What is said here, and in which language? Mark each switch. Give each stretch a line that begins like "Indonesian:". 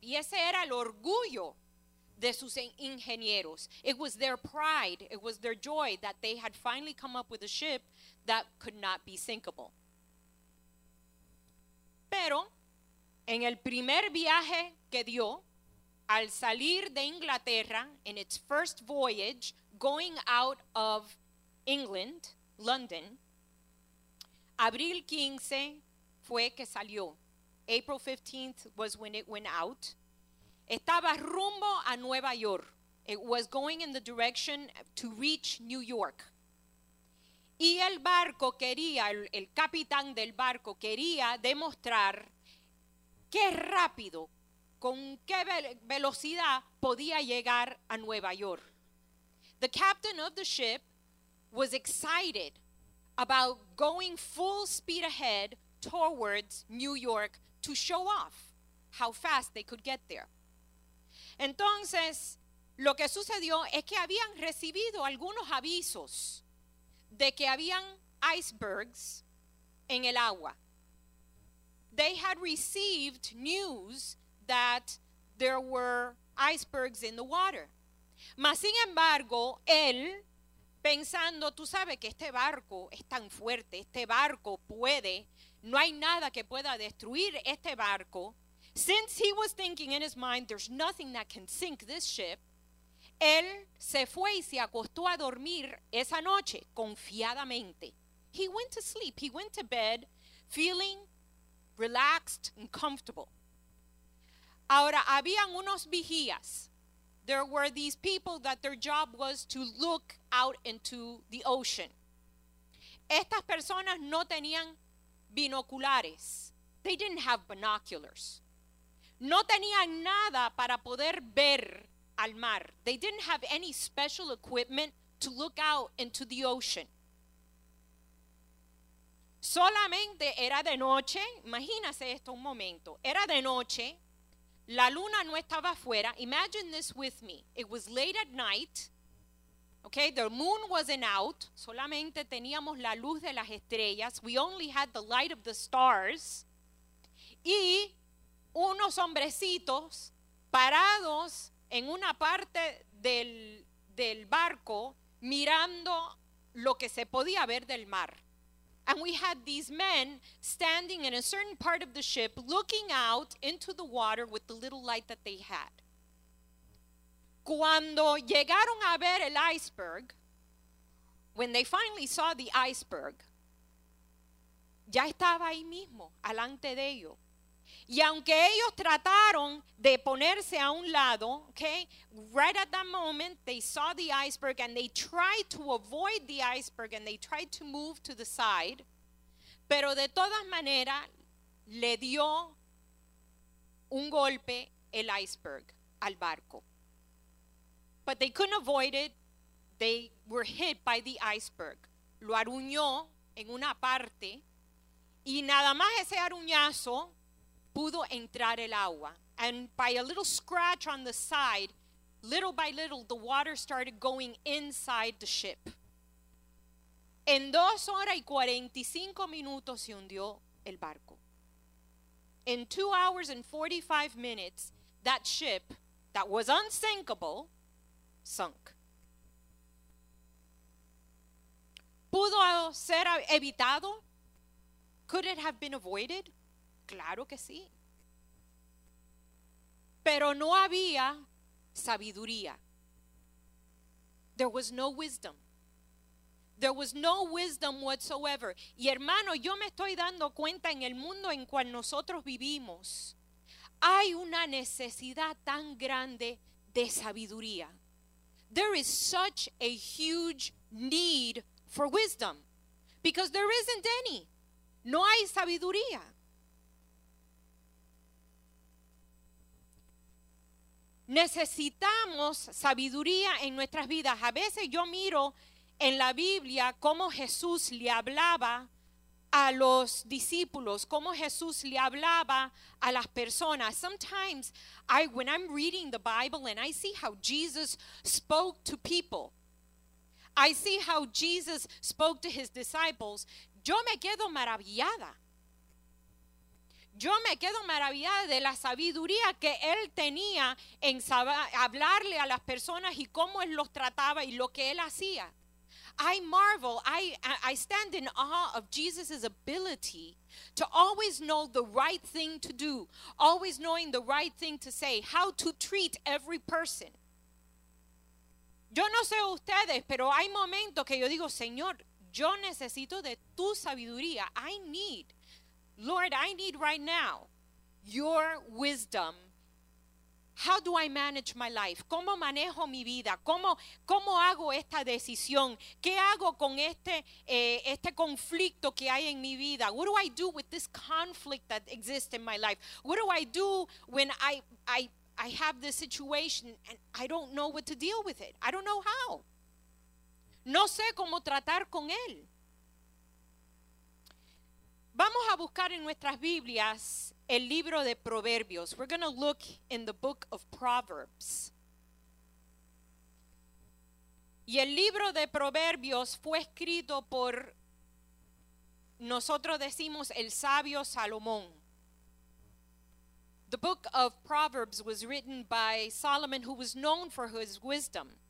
Spanish: Y ese era el orgullo de sus ingenieros.
English: It was their pride. It was their joy that they had finally come up with a ship that could not be sinkable.
Spanish: Pero en el primer viaje que dio, al salir de Inglaterra,
English: in its first voyage, going out of England, London,
Spanish: Abril 15 fue que salió.
English: April 15th was when it went out.
Spanish: Estaba rumbo a Nueva York.
English: It was going in the direction to reach New York.
Spanish: Y el barco quería, el capitán del barco quería demostrar qué rápido, con qué velocidad podía llegar a Nueva York.
English: The captain of the ship was excited about going full speed ahead towards New York to show off how fast they could get there.
Spanish: Entonces, lo que sucedió es que habían recibido algunos avisos de que habían icebergs en el agua.
English: They had received news that there were icebergs in the water.
Spanish: Mas sin embargo, él, pensando, tú sabes que este barco es tan fuerte, este barco puede, no hay nada que pueda destruir este barco.
English: Since he was thinking in his mind, there's nothing that can sink this ship,
Spanish: él se fue y se acostó a dormir esa noche confiadamente.
English: He went to sleep. He went to bed feeling relaxed and comfortable.
Spanish: Ahora, habían unos vigías.
English: There were these people that their job was to look out into the ocean.
Spanish: Estas personas no tenían binoculares.
English: They didn't have binoculars.
Spanish: No tenían nada para poder ver al mar.
English: They didn't have any special equipment to look out into the ocean.
Spanish: Solamente era de noche. Imagínese esto un momento. Era de noche. La luna no estaba afuera.
English: Imagine this with me. It was late at night. Okay, the moon wasn't out.
Spanish: Solamente teníamos la luz de las estrellas.
English: We only had the light of the stars.
Spanish: Y unos hombrecitos parados en una parte del barco mirando lo que se podía ver del mar.
English: And we had these men standing in a certain part of the ship looking out into the water with the little light that they had.
Spanish: Cuando llegaron a ver el iceberg,
English: when they finally saw the iceberg,
Spanish: ya estaba ahí mismo, alante de ellos. Y aunque ellos trataron de ponerse a un lado,
English: okay, right at that moment, they saw the iceberg and they tried to avoid the iceberg and they tried to move to the side.
Spanish: Pero de todas maneras, le dio un golpe el iceberg al barco.
English: But they couldn't avoid it. They were hit by the iceberg.
Spanish: Lo aruñó en una parte y nada más ese aruñazo pudo entrar el agua.
English: And by a little scratch on the side, little by little, the water started going inside the ship.
Spanish: En 2 horas y 45 minutos se hundió el barco.
English: In 2 hours and 45 minutes, that ship, that was unsinkable, sunk.
Spanish: ¿Pudo ser evitado?
English: Could it have been avoided?
Spanish: Claro que sí. Pero no había sabiduría.
English: There was no wisdom. There was no wisdom whatsoever.
Spanish: Y hermano, yo me estoy dando cuenta en el mundo en cual nosotros vivimos, hay una necesidad tan grande de sabiduría.
English: There is such a huge need for wisdom because there isn't any.
Spanish: No hay sabiduría. Necesitamos sabiduría en nuestras vidas. A veces yo miro en la Biblia cómo Jesús le hablaba a los discípulos, cómo Jesús le hablaba a las personas.
English: Sometimes I, when I'm reading the Bible and I see how Jesus spoke to people, I see how Jesus spoke to his disciples,
Spanish: yo me quedo maravillada. Yo me quedo maravillada de la sabiduría que él tenía en hablarle a las personas y cómo él los trataba y lo que él hacía.
English: I marvel, I stand in awe of Jesus' ability to always know the right thing to do, always knowing the right thing to say, how to treat every person.
Spanish: Yo no sé ustedes, pero hay momentos que yo digo, Señor, yo necesito de tu sabiduría.
English: I need, Lord, I need right now your wisdom. How do I manage my life?
Spanish: ¿Cómo manejo mi vida? ¿Cómo hago esta decisión? ¿Qué hago con este conflicto que hay en mi vida?
English: What do I do with this conflict that exists in my life? What do I do when I have this situation and I don't know what to deal with it? I don't know how.
Spanish: No sé cómo tratar con él. Vamos a buscar en nuestras Biblias el libro de Proverbios.
English: We're going to look in the book of Proverbs.
Spanish: Y el libro de Proverbios fue escrito por, nosotros decimos, el sabio Salomón.
English: The book of Proverbs was written by Solomon, who was known for his wisdom.